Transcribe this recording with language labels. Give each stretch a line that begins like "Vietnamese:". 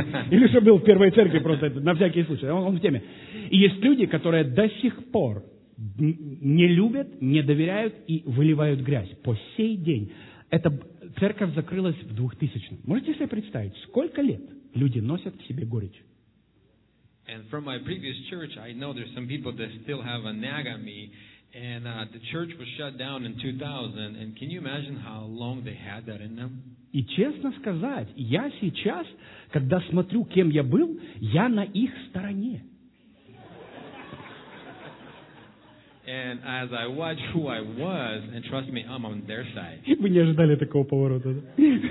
Russian: Илюша был в первой церкви просто на всякий случай. Он в теме. И есть люди, которые до сих пор не любят, не доверяют и выливают грязь. По сей день. Эта церковь закрылась в 2000-м. Можете себе представить, сколько лет люди носят в себе горечь?
English: And from my previous church, I know there's some people that still have a nag on me. And the church was shut down in 2000. And can you imagine how long they had that in them?
Russian: И честно сказать, я сейчас, когда смотрю, кем я был, я на их стороне.
English: And as I watch who I was, and trust me, I'm on their side.
Russian: Вы не ожидали такого поворота, да?